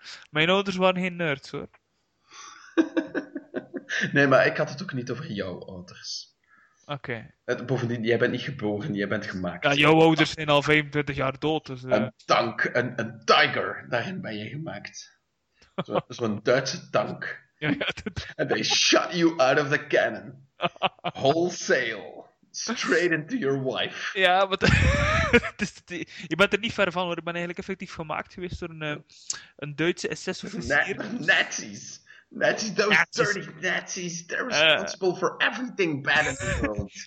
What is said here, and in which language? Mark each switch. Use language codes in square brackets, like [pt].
[nl] Mijn ouders waren geen nerds, hoor. Nee, maar ik had het ook niet over jouw ouders. Oké. Bovendien, jij bent niet geboren, jij bent Ja, gemaakt. jouw ouders zijn al 25 jaar dood, dus... Een tank, een tiger, daarin ben je gemaakt. Zo'n Duitse tank. [en] And they shot you out of the cannon. Wholesale. Straight into your wife. [nl] Ja, maar je bent er niet ver van hoor. Ik ben eigenlijk effectief gemaakt geweest door een Duitse SS-officier. [en] Nazis. Nazis, those Nazis. dirty Nazis. They're responsible for everything bad in the world.